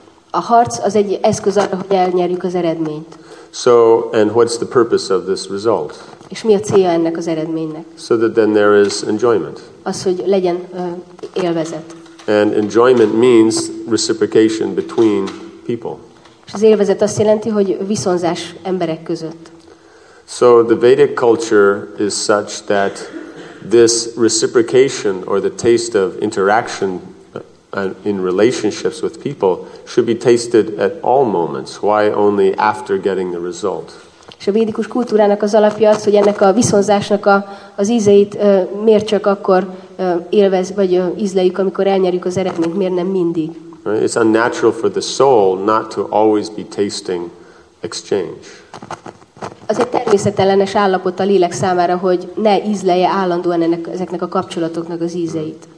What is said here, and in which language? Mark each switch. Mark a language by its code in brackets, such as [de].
[hu] A harc az egy eszköz arra, hogy elnyerjük az eredményt. [en] So, and what's the purpose of this result? [hu] És mi a célja ennek az eredménynek? [en] So that then there is enjoyment. [hu] Az, hogy legyen élvezet. [en] And enjoyment means reciprocation between people. [hu] És az élvezet azt jelenti, hogy viszonzás emberek között. [en] So the Vedic culture is such that this reciprocation or the taste of interaction in relationships with people should be tasted at all moments. Why only after getting the result? [hu] És a védikus kultúrának az alapja az, hogy ennek a viszonzásnak az ízeit miért csak akkor élvez, vagy ízleljük, amikor elnyerjük az eredményt, miért nem mindig. [en] It's unnatural for the soul not to always be tasting exchange. [hu] Az egy természetellenes állapot a lélek számára, hogy ne ízlelje állandóan ezeknek a kapcsolatoknak az ízeit.